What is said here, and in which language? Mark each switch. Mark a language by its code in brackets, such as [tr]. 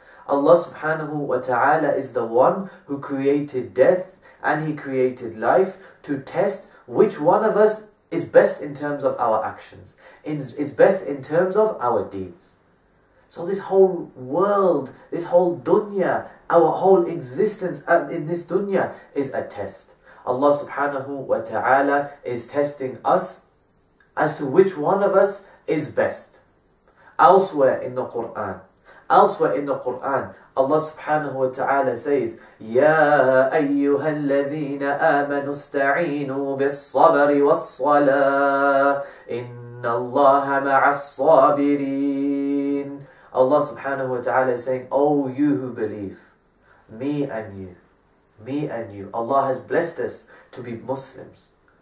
[en] Allah subhanahu wa ta'ala is the one who created death and he created life to test which one of us is best in terms of our actions, is best in terms of our deeds. So this whole world, this whole dunya, our whole existence in this dunya is a test. Allah subhanahu wa ta'ala is testing us as to which one of us is best. Elsewhere in the Quran, Allah subhanahu wa ta'ala says, [ar] يَا أَيُّهَا الَّذِينَ آمَنُوا اسْتَعِينُوا بِالصَّبَرِ وَالصَّلَاةِ إِنَّ اللَّهَ مَعَ الصَّابِرِينَ. [en] Allah subhanahu wa ta'ala is saying, oh you who believe, me and you, Allah has blessed us to be Muslims.